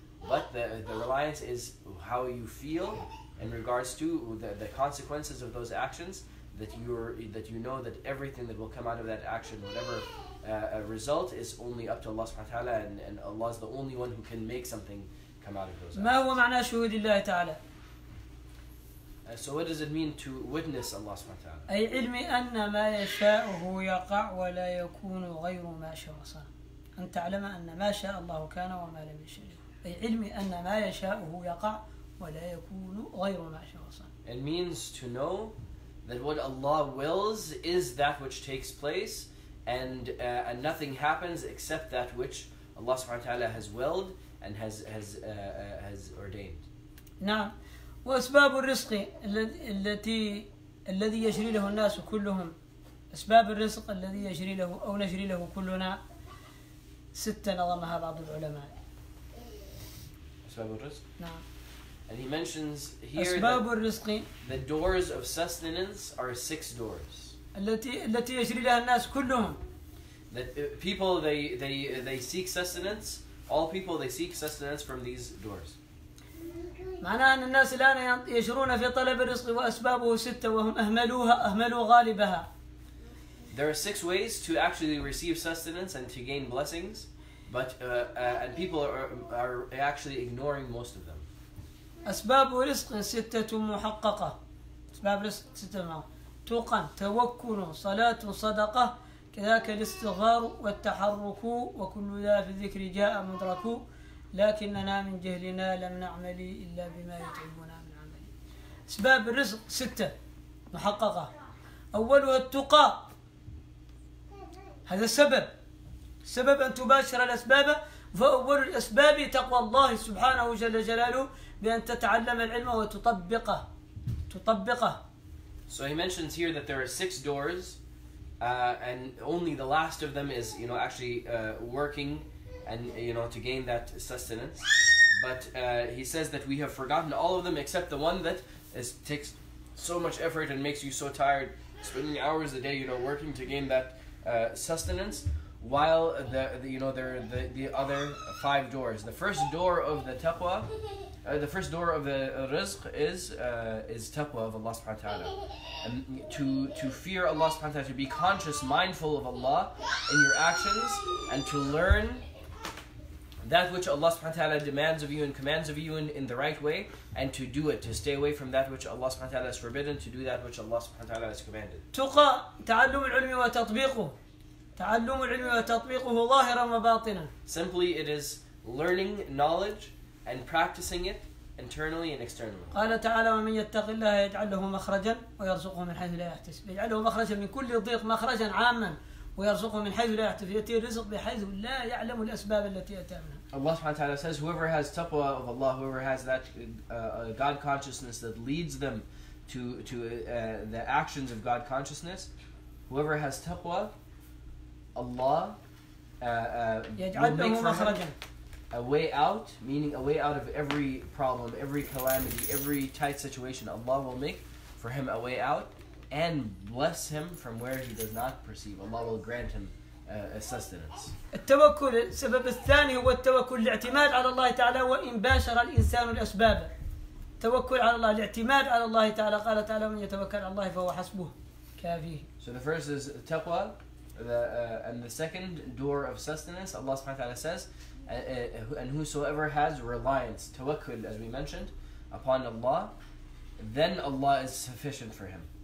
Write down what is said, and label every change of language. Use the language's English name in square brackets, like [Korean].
[English] But the reliance is how you feel in regards to the consequences of those actions, that you know that everything that will come out of that action, whatever result, is only up to Allah subhanahu wa ta'ala, and Allah is the only one who can make something come out of those actions. [Arabic] ما هو معنى شهود الله تعالى؟ [English] So what does it mean to witness Allah subhanahu wa ta'ala? [Arabic] أي علمي أن ما يشاءه يقع ولا يكون غير ما شاء صنع. أن تعلم أن ما شاء الله كان وما لم يشاء. أي علمي أن ما يشاءه يقع ولا يكون غير ما شاء صنع. [English] It means to know that what Allah wills is that which takes place, and nothing happens except that which Allah subhanahu wa ta'ala has willed and has ordained. [Arabic] نعم. وأسباب الرزق التي الذي يجري له الناس كلهم أسباب الرزق الذي يجري له أو نجري له كلنا ستة نظمها بعض العلماء أسباب الرزق نعم [English] and he mentions here [Arabic] أسباب [English] that [Arabic] الرزق [English] the doors of sustenance are six doors [Arabic] التي يجري لها الناس كلهم [English] that people they seek sustenance all people they seek sustenance from these doors [Arabic] معناه أن الناس الآن يجرون في طلب الرزق وأسبابه ستة وهم أهملوا غالبها. [English] There are six ways to actually receive sustenance and to gain blessings, but and people are actually ignoring most of them. [Arabic] أسباب رزق ستة محققة. أسباب رزق ستة معه. توقن توكل صلاة صدقة كذاك الاستغفار والتحرك وكل ذا في الذكر جاء مدرك. لكننا من جهلنا لم نعمل إلا بما يتعبنا من عمل أسباب الرزق ستة محققة أولها التقى هذا السبب سبب أن تباشر الأسباب فأول الأسباب تقوى الله سبحانه جل جلاله بأن تتعلم العلم وتطبقه تطبقه [English] So he mentions here that there are six doors and only the last of them is you know actually working and you know to gain that sustenance but he says that we have forgotten all of them except the one that is takes so much effort and makes you so tired spending hours a day you know working to gain that sustenance while the you know there are the other five doors the first door of the taqwa the first door of the rizq is taqwa of Allah subhanahu wa ta'ala and to fear Allah subhanahu wa ta'ala to be conscious mindful of Allah in your actions and to learn that which Allah subhanahu wa ta'ala demands of you and commands of you in the right way and to do it, to stay away from that which Allah subhanahu wa ta'ala has forbidden, to do that which Allah subhanahu wa ta'ala has commanded. [Arabic] تقى تعلم العلم وتطبيقه تعلم العلم وتطبيقه ظاهرا وباطنا [English] Simply it is learning knowledge and practicing it internally and externally. [Arabic] قال تعالى ومن يتق الله يجعل له مخرجا ويرزقه من حيث لا يحتسب يجعل له مخرجا من كل ضيق مخرجا عاما ويرزقه من حيث لا يحتسب يأتي الرزق بحيث لا يعلم الأسباب التي أتى منها. [English] Allah subhanahu wa ta'ala says, whoever has taqwa of Allah, whoever has that God consciousness that leads them to the actions of God consciousness, whoever has taqwa, Allah will make for him a way out, meaning a way out of every problem, every calamity, every tight situation. Allah will make for him a way out. And bless him from where he does not perceive. Allah will grant him a sustenance. [Arabic] التوكل سبب الثاني هو التوكل الاعتماد على الله تعالى وإن باشر الإنسان الأسباب. توكل على الله الاعتماد على الله تعالى قال تعالى من يتوكل على الله فهو حسبه كافيه. [English] So the first is taqwa, and the second door of sustenance. Allah subhanahu wa ta'ala says, and whosoever has reliance, tawakkul, as we mentioned, upon Allah, then Allah is sufficient for him.